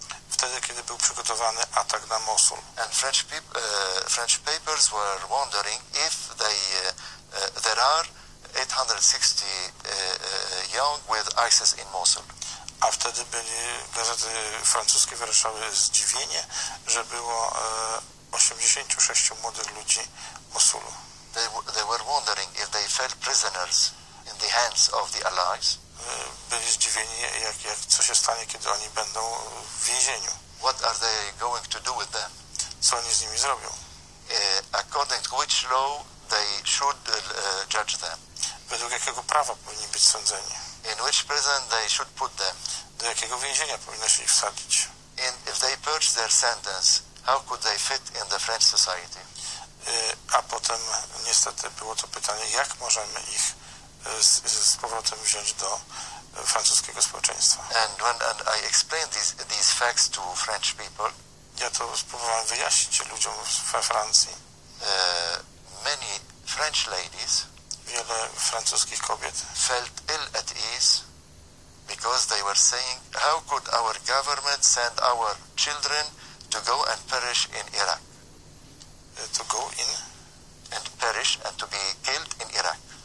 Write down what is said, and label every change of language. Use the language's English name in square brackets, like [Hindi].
[Polish] Wtedy, kiedy był przygotowany atak na Mosul. [English] And French papers were wondering if there are 860 young with ISIS in Mosul. [Polish] A wtedy byli gazety francuskie wyrażały zdziwienie, że było 86 młodych ludzi Mosulu. [English] They were wondering if they fell prisoners in the hands of the allies. [Polish] Byli zdziwieni, jak co się stanie, kiedy oni będą w więzieniu. [English] What are they going to do with them? [Polish] Co oni z nimi zrobią? [English] According to which law they should judge them? [Polish] Według jakiego prawa powinni być sądzeni? [English] In which prison they should put them? [Polish] Do jakiego więzienia powinno się ich wsadzić? [English] And if they purge their sentence, how could they fit in the French society? [Polish] A potem niestety było to pytanie, jak możemy ich z powrotem wziąć do francuskiego społeczeństwa. [English] And when I explained these facts to French people, [Polish] ja to spróbowałem wyjaśnić ludziom we Francji. [English] Many French ladies, [Polish] wiele francuskich kobiet, [English] felt ill at ease because they were saying, how could our government send our children to go and perish in Iraq? To go in? And perish and to be killed in Iraq.